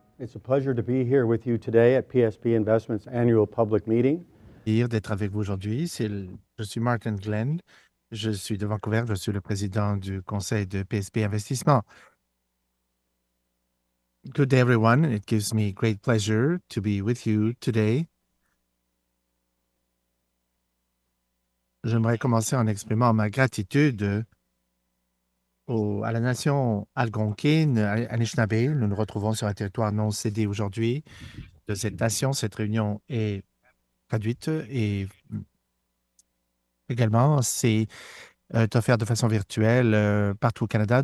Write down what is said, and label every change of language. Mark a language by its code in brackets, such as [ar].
[en] It's a pleasure to be here with you today at PSP Investments' annual public meeting. [fr] D'être avec vous aujourd'hui. Je suis Martin Glenn. Je suis de Vancouver. Je suis le président du conseil de PSP Investissement. [en] Good day, everyone. It gives me great pleasure to be with you today. [fr] J'aimerais commencer en exprimant ma gratitude à la nation algonquine, Anishinaabe. Nous nous retrouvons sur un territoire non cédé aujourd'hui de cette nation. Cette réunion est traduite et également, c'est offert de façon virtuelle partout au Canada.